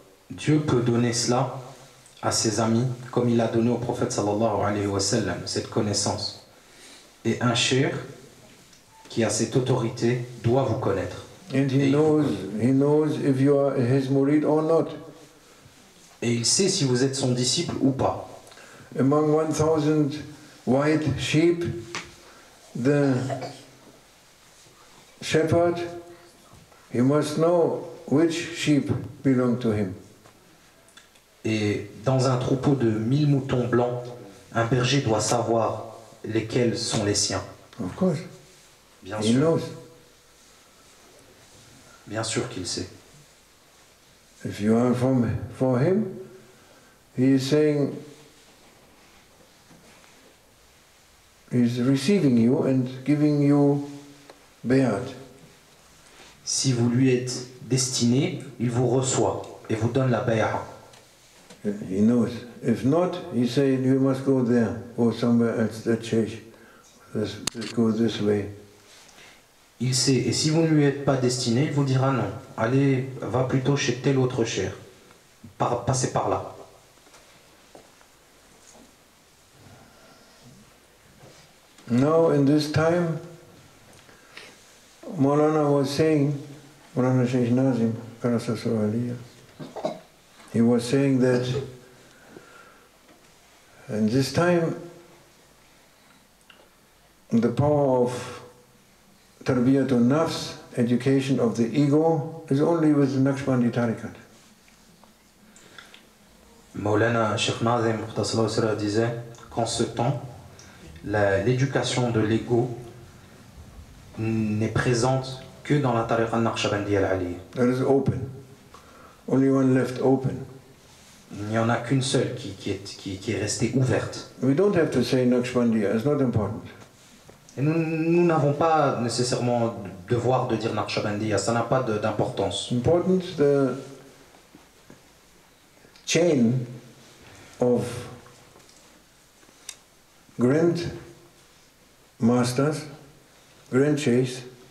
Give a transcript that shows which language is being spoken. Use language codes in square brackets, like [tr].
[fr] Dieu peut donner cela à ses amis, comme il a donné au prophète sallallahu alayhi wa sallam, cette connaissance. Et un cheikh qui a cette autorité doit vous connaître. [en] And he knows if you are his murid or not. [fr] Et il sait si vous êtes son disciple ou pas. [en] Among 1,000 white sheep, the shepherd, he must know which sheep belong to him. [fr] Et dans un troupeau de 1,000 moutons blancs, un berger doit savoir lesquels sont les siens. [en] Of course. [fr] Bien sûr. [en] He knows. [fr] Bien sûr qu'il sait. [en] If you are for him, he is saying, he is receiving you and giving you bayat. [fr] Si vous lui êtes destiné, il vous reçoit et vous donne la bayat. [en] He knows. If not, he said you must go there or somewhere else that change. Let's go this way. [fr] Il sait. Et si vous ne lui êtes pas destiné, il vous dira non. Allez, va plutôt chez tel autre cher. Passez par là. [en] Now in this time, Maulana was saying, Maulana Sheikh Nazim, Karasasur Aliyah, he was saying that in this time the power of tarbiyat al-nafs, education of the ego, is only with the Naqshbandi tariqat. [fr] Maulana Sheikh Nazim Muhtasallahu Alaihi Wasallam disait qu'en ce temps, l'éducation de l'ego n'est présente que dans la tariqa al-Naqshbandi al-Aliyah. [en] That is open. Only one left open. [fr] Il n'y en a qu'une seule qui est restée ouverte. [en] We don't have to say Naqshbandi, it's not important. [fr] Et nous n'avons pas nécessairement devoir de dire Naqshbandi, ça n'a pas d'importance. [en] Important, the chain of grand masters, grand sheikhs.